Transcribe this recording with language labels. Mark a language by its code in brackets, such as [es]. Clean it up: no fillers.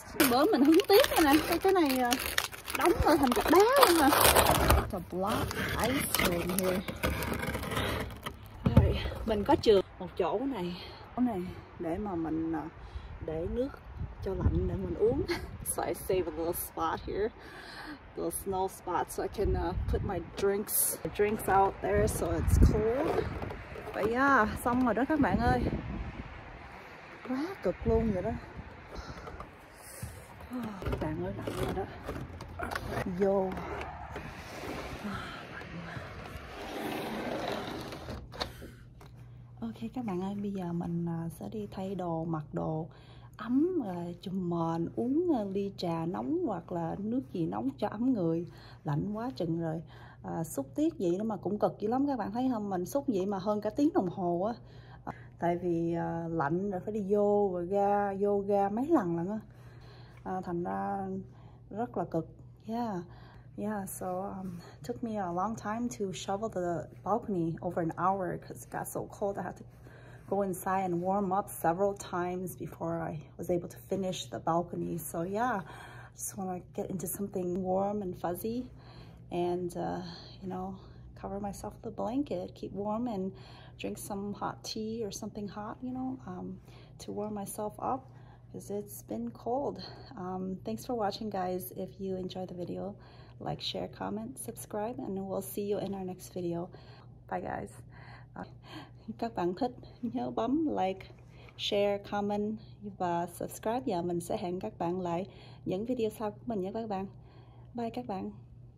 [vi] Bữa mình hứng tiết đây nè, cái này đóng rồi thành cục đá luôn mà. [en] It's a block ice cream here. [vi] Rồi, mình có trường một chỗ này. Này để mà mình để nước cho lạnh để mình uống. [en] So I save a little spot here, the snow spot, so I can put my drinks out there so it's cool. [vi] Vậy yeah, xong rồi đó các bạn ơi, quá cực luôn vậy đó. Các bạn ơi, lạnh rồi đó. Yo. Ok các bạn ơi, bây giờ mình sẽ đi thay đồ, mặc đồ ấm, chùm mền, uống ly trà nóng hoặc là nước gì nóng cho ấm người. Lạnh quá chừng rồi, xúc tiết vậy đó mà cũng cực dữ lắm các bạn thấy không? Mình xúc vậy mà hơn cả tiếng đồng hồ á. Tại vì lạnh rồi phải đi vô rồi ra, vô ra mấy lần lận á. Thành ra rất là cực. [en] Yeah, so took me a long time to shovel the balcony over an hour because it got so cold. I had to go inside and warm up several times before I was able to finish the balcony. So yeah, just want to get into something warm and fuzzy and, you know, cover myself with a blanket, keep warm and drink some hot tea or something hot, you know, to warm myself up because it's been cold. Thanks for watching, guys. If you enjoyed the video, like, share, comment, subscribe, and we'll see you in our next video. Bye, guys. [vi] Các bạn thích, nhớ bấm like, share, comment, và subscribe. Và mình sẽ hẹn các bạn lại những video sau của mình nhé các bạn. Bye, các bạn.